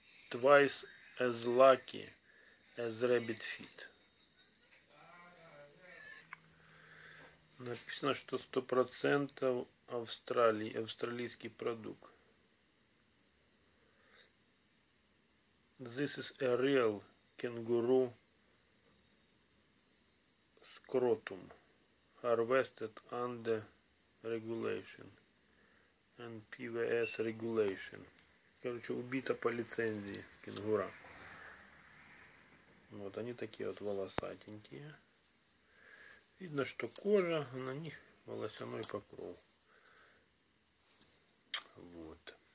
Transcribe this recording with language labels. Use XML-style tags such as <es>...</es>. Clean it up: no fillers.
<en>Twice as lucky as rabbit feet.</en> <ru>Написано, что 100% австралийский продукт.</ru> <en>This is a real kangaroo scrotum harvested under regulation and PVS regulation.</en> <ru>Короче, убита по лицензии кенгура. Вот они такие вот волосатенькие. Видно, что кожа, на них волосяной покров. Вот.</ru>